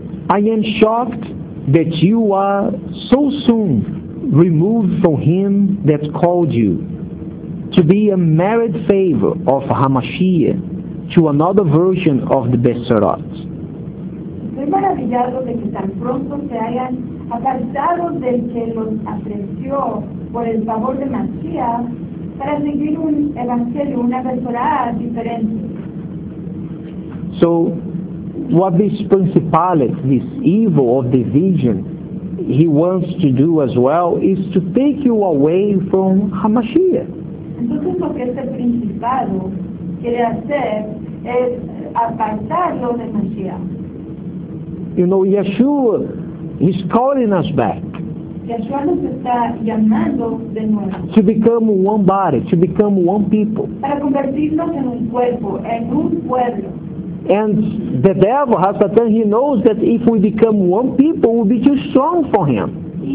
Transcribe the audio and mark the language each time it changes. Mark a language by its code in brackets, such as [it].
[en] I am shocked that you are so soon removed from him that called you to be a married favor of HaMashiach to another version of the Beserot. [es] Estoy maravillado de que tan pronto se hayan apartado del que los apreció por el favor de Mashiach para seguir un evangelio, una Beserot diferente. [en] So, what this principality, this evil of division, he wants to do as well is to take you away from HaMashiach. [es] Entonces lo que este principado quiere hacer es apartarlo de Mashiach. [en] You know, Yeshua is calling us back. [es] Yeshua nos está llamando de nuevo. [en] To become one body, to become one people. [es] Para convertirnos en un cuerpo, en un pueblo. [en] And the devil, Hasatan, he knows that if we become one people, we'll be too strong for him.